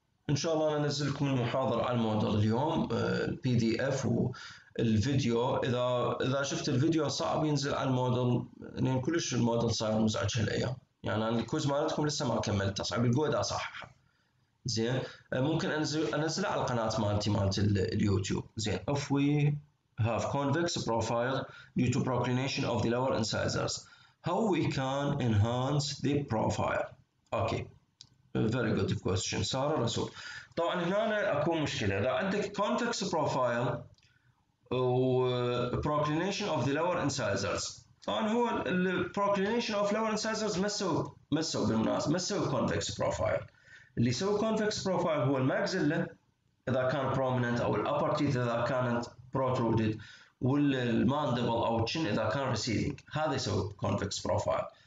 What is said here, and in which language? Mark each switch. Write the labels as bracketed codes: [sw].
[ar] ان شاء الله ننزلكم المحاضره على المودل اليوم بي دي اف، والفيديو اذا شفت الفيديو صعب ينزل على المودل، لان كلش المودل صار مزعج هالايام، يعني انا الكويز مالتكم لسه ما كملت، صعب القوه دا صححه زين، ممكن انزل على القناه مالتي اليوتيوب زين. [en] If we have convex profile due to proclination of the lower incisors, how we can enhance the profile. Okay, very good question ساره رسول. [ar] طبعا هنا اكو مشكله، اذا عندك convex profile و [en] proclination of the lower incisors، [ar] طبعا هو ال [en] proclination of lower incisors [ar] مسوي بالمناسبه مسوي convex profile، اللي يسوي كونفكس بروفايل هو الماكسيلا اذا كان بروميننت، او الابر تيث اذا كانت بروترودد، والماندبل او تشن اذا كان ريسيفنج، هذا يسوي كونفكس بروفايل.